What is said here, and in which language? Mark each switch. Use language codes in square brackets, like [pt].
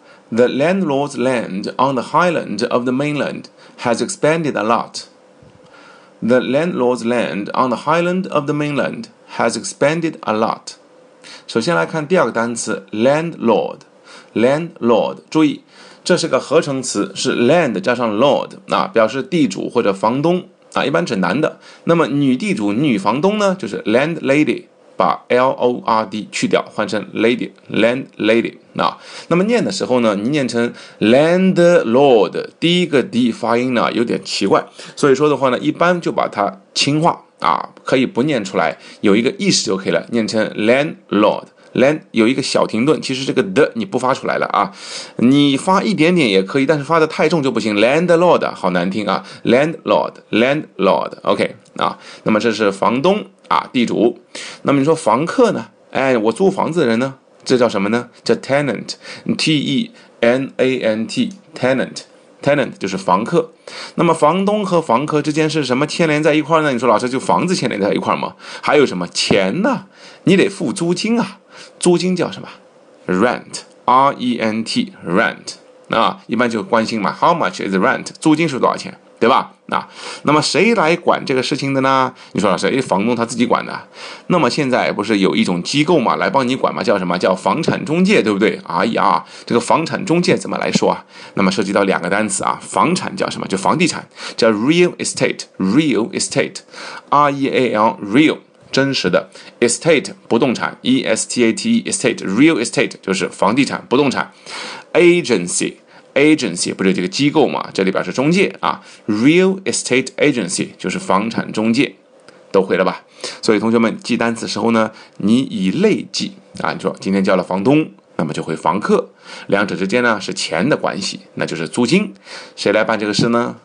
[en] The landlord's land on the highland of the mainland has expanded a lot. The landlord's land on the highland of the mainland has expanded a lot. [zh] 首先来看第二个单词 landlord. Landlord, 注意这是个合成词，是 land 加上 lord, 那、表示地主或者房东啊，一般指男的。那么女地主、女房东呢，就是 landlady, 把 lord 去掉换成 lady, landlady, 那、那么念的时候呢，你念成 landlord, 第一个 d 发音呢有点奇怪，所以说的话呢一般就把它轻化啊，可以不念出来，有一个意识就可以了，念成 landlord。 land 有一个小停顿，其实这个的你不发出来了啊，你发一点点也可以，但是发的太重就不行。 landlord 好难听啊 ，landlord，landlord，OK、okay, 啊，那么这是房东啊，地主。那么你说房客呢？哎，我租房子的人呢？这叫什么呢？叫 tenant，T-E-N-A-N-T，tenant，tenant 就是房客。那么房东和房客之间是什么牵连在一块呢？你说老师就房子牵连在一块吗？还有什么钱呢？你得付租金啊。租金叫什么 ？rent, r e n t, rent。那一般就关心嘛 ， [en] how much is rent？ [zh] 租金是多少钱，对吧？那么谁来管这个事情的呢？你说老师，房东他自己管的。那么现在不是有一种机构嘛，来帮你管嘛？叫什么？叫房产中介，对不对？哎呀，这个房产中介怎么来说啊？那么涉及到两个单词啊，房产叫什么？就房地产，叫 real estate, real estate, r e a l, real。真实的 estate 不动产 estate estate real estate 就是房地产不动产 agency agency 不是这个机构嘛？这里边是中介啊 real estate agency 就是房产中介，都会了吧？所以同学们记单词时候呢，你以类记啊，你说今天叫了房东，那么就会房客，两者之间呢是钱的关系，那就是租金，谁来办这个事呢？